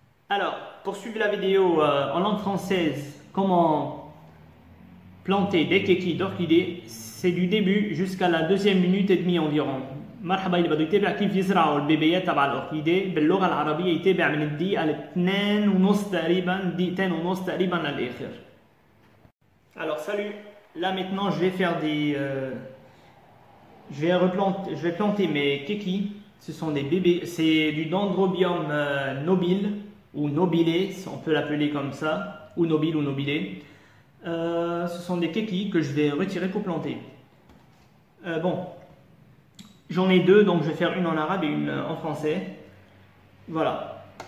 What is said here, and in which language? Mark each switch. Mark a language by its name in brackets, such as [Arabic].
[French] Alors, pour suivre la vidéo en langue française, comment planter des kékis d'orchidées, c'est du début jusqu'à la deuxième minute et demie environ. [Arabic] مرحبا اللي بده يتابع كيف يزرعوا البيبيات تبع الاوركيدي باللغه العربيه يتابع من الدقيقه الاثنين ونص تقريبا دقيقتين ونص تقريبا للاخر. [French] Alors salut, là maintenant je vais faire des je vais planter mes kékis. Ce sont des bébés, c'est du dendrobium nobile ou nobilé, on peut l'appeler comme ça, ou nobile ou nobilé. Ce sont des kékis que je vais retirer pour planter. Bon, j'en ai deux, donc je vais faire une en arabe et une en français. Voilà.